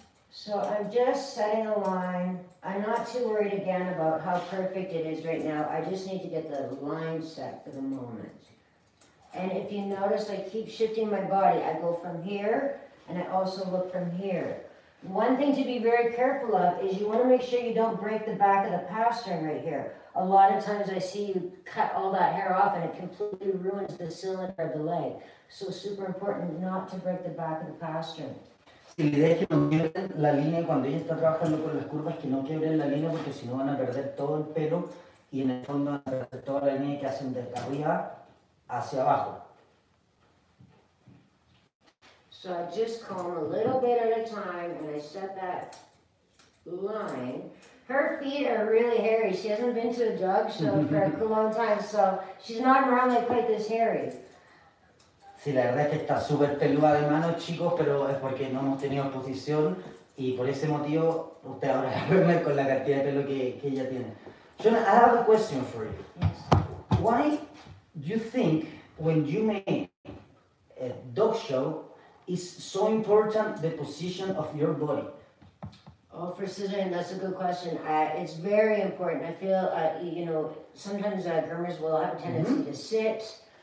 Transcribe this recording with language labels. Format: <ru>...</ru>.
<en>So I'm just setting a line. I'm not too worried again about how perfect it is right now. I just need to get the line set for the moment. And if you notice, I keep shifting my body. I go from here, and I also look from here. One thing to be very careful of is you want to make sure you don't break the back of the pastern right here. A lot of times I see you cut all that hair off, and it completely ruins the cylinder of the leg. So super important not to break the back of the pastern.</en> <es>Sí, la idea es que no quiebren la línea cuando ella está trabajando con las curvas, que no quiebren la línea porque si no van a perder todo el pelo y en el fondo van a perder toda la línea que hacen desde arriba. Hacia abajo.</es> <en>So I just comb a little bit at a time and I set that line. Her feet are really hairy. She hasn't been to a dog show for a long time, so she's not normally quite this hairy.</en> <es>Sí, la verdad es que está súper peluda de mano, chicos, pero es porque no hemos tenido posición y por ese motivo usted ahora va a verme con la cantidad de pelo que ella tiene.</es> <en>Shaunna, I have a question for you. Yes. Why do you think when you make a dog show is so important the position of your body? Oh, for scissoring, that's a good question. It's very important. I feel, sometimes groomers will have a tendency mm-hmm. to sit.</en>